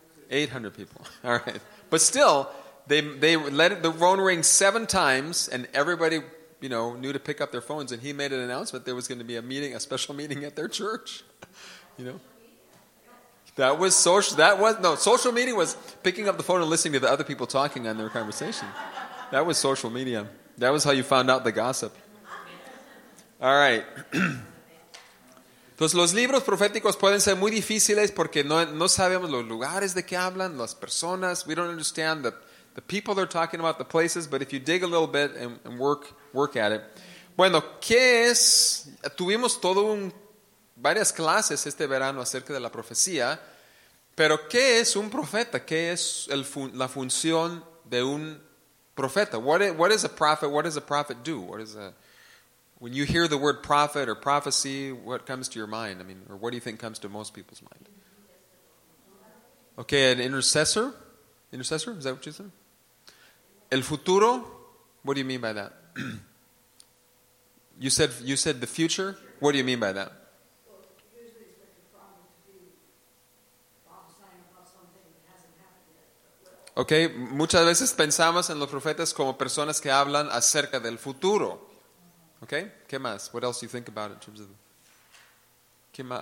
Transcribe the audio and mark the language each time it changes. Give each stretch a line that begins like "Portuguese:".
English: 800 people, all right. But still, they let the phone ring 7 times, and everybody, you know, knew to pick up their phones, and he made an announcement there was going to be a meeting, a special meeting at their church, you know. That was social, social media was picking up the phone and listening to the other people talking on their conversation. That was social media. That was how you found out the gossip. All right.
Spanish: Entonces, los libros proféticos pueden ser muy difíciles porque no sabemos los lugares de que hablan, las personas.
English: We don't understand the people they're talking about, the places, but if you dig a little bit and work at it.
Spanish: Bueno, ¿qué es? Tuvimos todo un varias clases este verano acerca de la profecía, pero ¿qué es un profeta? ¿Qué es la función de un profeta?
English: What is a prophet? What does a prophet do? When you hear the word prophet or prophecy, what comes to your mind? I mean, or what do you think comes to most people's mind? Okay, an intercessor? Intercessor? Is that what you said?
Spanish: El futuro?
English: What do you mean by that? You said the future? What do you mean by that?
Spanish: Okay, muchas veces pensamos en los profetas como personas que hablan acerca del futuro. Okay, ¿qué más?
English: What else do you think about it in terms of...